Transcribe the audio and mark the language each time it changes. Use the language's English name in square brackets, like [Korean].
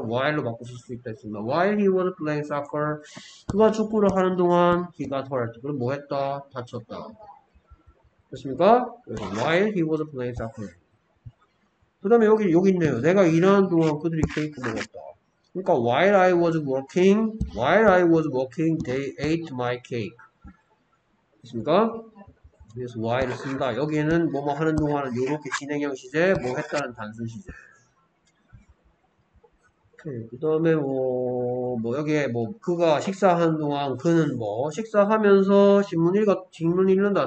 [Korean] while로 바꿀 수 있다 했습니다. [English] while he was playing soccer, [Korean] 그가 축구를 하는 동안 [English] he got hurt. [Korean] 그럼 뭐 했다? 다쳤다. 그렇습니까? 그래서 [English] while he was playing soccer. [Korean] 그 다음에 여기 있네요. 내가 일하는 동안 그들이 케이크 먹었다. 그러니까 [English] while I was working, they ate my cake. [Korean] 그렇습니까? 그래서 while 쓴다. 여기에는 뭐뭐 하는 동안은 이렇게 진행형 시제, 뭐 했다는 단순 시제. 그 다음에 여기에 뭐 그가 식사하는 동안 그는 뭐 식사하면서 신문 읽는다.